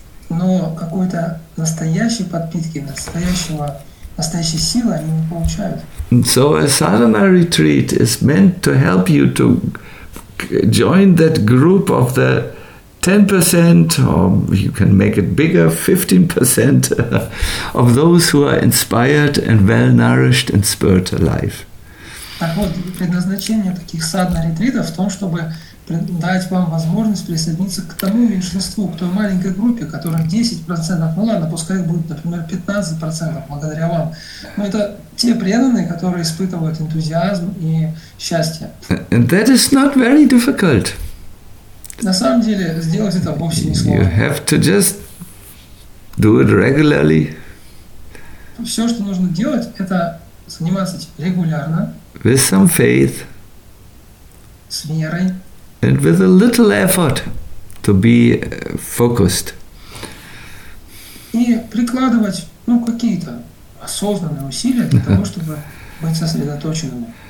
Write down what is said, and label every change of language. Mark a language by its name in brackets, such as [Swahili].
[Russian] Но какой-то настоящей подпитки, настоящей силы они не получают. [English] So a sadhana retreat is meant to help you to join that group of the 10%, or you can make it bigger, 15% of those who are inspired and well nourished in spiritual life. [Russian] Так вот, предназначение таких sadhana retreatов в том, чтобы дать вам возможность присоединиться к тому меньшинству, к той маленькой группе, которая 10%, ну ладно, пускай будет, например, 15% благодаря вам. Но это те преданные, которые испытывают энтузиазм и счастье. [English] And that is not very difficult. [Russian] На самом деле, сделать это вовсе не сложно. [English] You have to just do it regularly. [Russian] Все, что нужно делать, это заниматься регулярно. [English] With some faith. [Russian] С верой. [English] And with a little effort to be focused. [Russian] И прикладывать, ну, какие-то осознанные усилия для того, чтобы быть сосредоточенными.